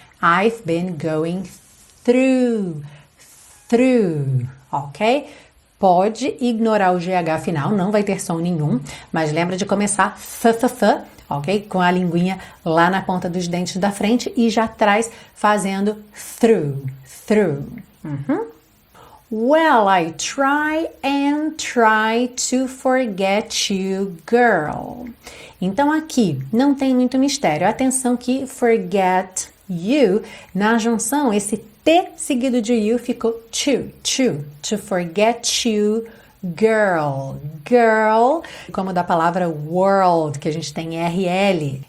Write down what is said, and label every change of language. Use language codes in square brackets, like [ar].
[en] I've been going through. Through, ok? [pt] Pode ignorar o GH final, não vai ter som nenhum, mas lembra de começar f-f-f. Ok? Com a linguinha lá na ponta dos dentes da frente e já atrás fazendo through, through. [en] Well, I try and try to forget you, girl. [pt] Então aqui não tem muito mistério. Atenção que [en] forget you, [pt] na junção, esse T seguido de you ficou [en] to forget you. [pt] Girl, girl, como da palavra world, que a gente tem RL.